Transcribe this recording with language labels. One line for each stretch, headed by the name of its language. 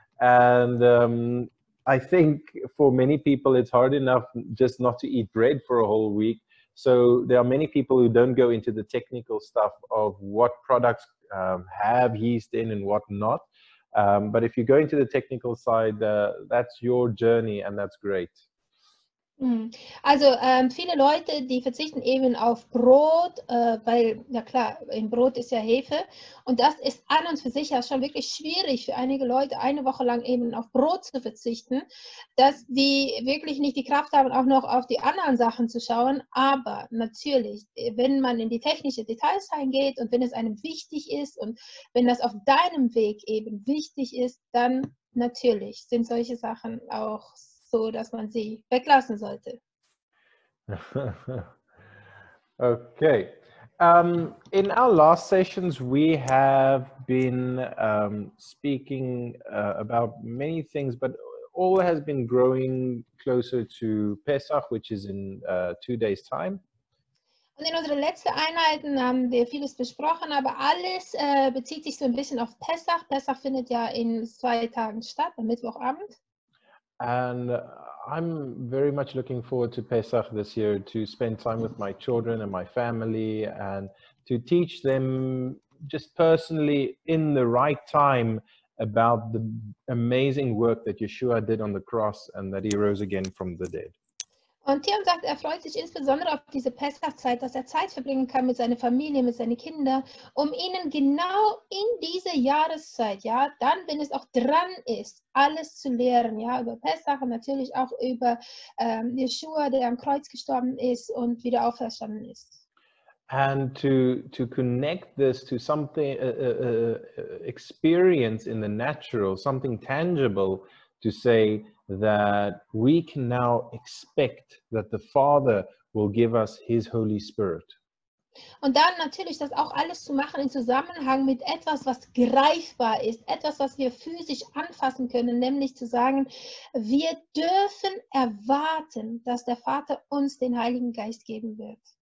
English: And I think for many people, it's hard enough just not to eat bread for a whole week. So there are many people who don't go into the technical stuff of what products have yeast in and what not. But if you go into the technical side, that's your journey, and that's great.
German: Also viele Leute, die verzichten eben auf Brot, weil, ja klar, im Brot ist ja Hefe. Und das ist an und für sich ja schon wirklich schwierig für einige Leute, eine Woche lang eben auf Brot zu verzichten, dass die wirklich nicht die Kraft haben, auch noch auf die anderen Sachen zu schauen. Aber natürlich, wenn man in die technischen Details reingeht und wenn es einem wichtig ist und wenn das auf deinem Weg eben wichtig ist, dann natürlich sind solche Sachen auch so, dass man sie weglassen sollte. Okay.
English: In our last sessions, we have been speaking about many things, but all has been growing closer to Pesach, which is in 2 days' time.
German: Und in unseren letzten Einheiten haben wir vieles besprochen, aber alles bezieht sich so ein bisschen auf Pessach. Pessach findet ja in 2 Tagen statt, am Mittwochabend.
English: And I'm very much looking forward to Pesach this year to spend time with my children and my family and to teach them just personally in the right time about the amazing work that Yeshua did on the cross and that he rose again from the dead.
German: Und Tiam sagt, er freut sich insbesondere auf diese Pessachzeit, dass er Zeit verbringen kann mit seiner Familie, mit seinen Kindern, um ihnen genau in dieser Jahreszeit, ja, dann, wenn es auch dran ist, alles zu lehren, ja, über Pessach und natürlich auch über Yeshua, der am Kreuz gestorben ist und wieder auferstanden ist.
English: And to connect this to something experience in the natural, something tangible, to say that we can now expect that the Father will give us His Holy Spirit.
German: Und dann natürlich das auch alles zu machen in Zusammenhang mit etwas, was greifbar ist, etwas, was wir physisch anfassen können, nämlich zu sagen, wir dürfen erwarten, dass der Vater uns den Heiligen Geist geben wird.